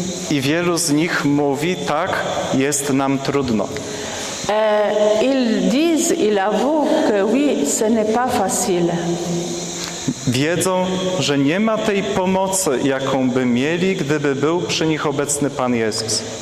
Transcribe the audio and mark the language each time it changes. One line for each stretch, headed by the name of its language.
Polish: I wielu z nich mówi: tak, jest nam trudno.
French: Ils disent, ils avouent que oui, ce n'est pas facile.
Polish: Wiedzą, że nie ma tej pomocy, jaką by mieli, gdyby był przy nich obecny Pan Jezus.